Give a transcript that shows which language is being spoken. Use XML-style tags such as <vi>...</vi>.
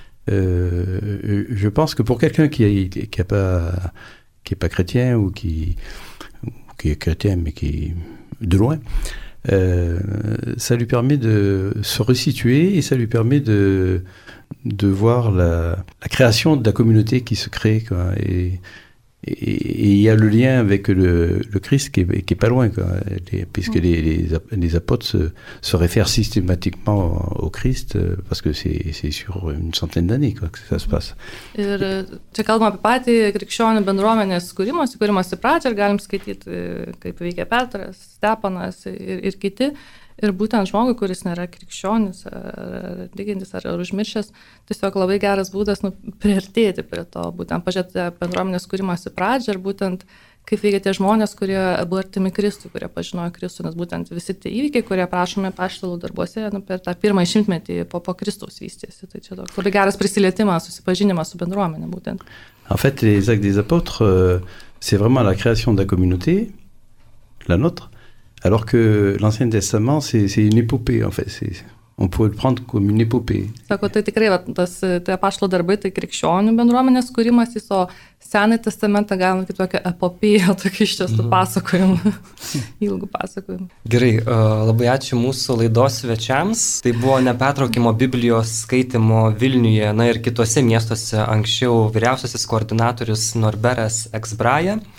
<fr>Je pense que pour quelqu'un qui est pas chrétien, ou qui est chrétien, mais qui est de loin, ça lui permet de se resituer et ça lui permet de voir la création de la communauté qui se crée, quoi. Et il y a le lien avec le Christ qui est pas loin, quoi, puisque les apôtres se réfèrent systématiquement au Christ, parce que c'est sur une centaine d'années, quoi, que ça se passe.</fr> <lt>Ir čia kalbam apie patį krikščionių bendruomenės kūrimosi pradžią, ir galim skaityti, kaip veikia Petras, Steponas ir kiti. Ir būtent žmogui, kuris nėra krikščionis, ar tikintis, ar užmiršęs, tiesiog labai geras būdas priartėti prie to, būtent pažiūrėti bendruomenės kūrimosi pradžią, ir būtent kaip veikia tie žmonės, kurie buvo artimi Kristui, kurie pažinojo Kristų, nes būtent visi tie įvykiai, kurie prašome paštalų darbuose per tą pirmą šimtmetį po Kristaus vystėsi. Tai čia toks labai geras prisilietimas, susipažinimas su bendruomenė būtent.</lt> <fr>En fait, les actes des apôtres, c'est vraiment la création de la communauté, la nôtre. Alors que l'Ancien Testament, c'est une épopée, en fait. On pouvait le prendre comme une épopée.</fr> <lt>Sako, tai tikrai, va, tas, tai apaštalo darbai, tai krikščionių bendruomenės kūrimas, jis o Senąjį testamentą galima kaip tokią epopiją, tokį iš tiesų pasakojimą, ilgų pasakojimą. Gerai, labai ačiū mūsų laidos svečiams. Tai buvo nepertraukimo Biblijos skaitimo Vilniuje, na ir kituose miestuose anksčiau vyriausiasis koordinatorius Norberas Eksbraja.</lt>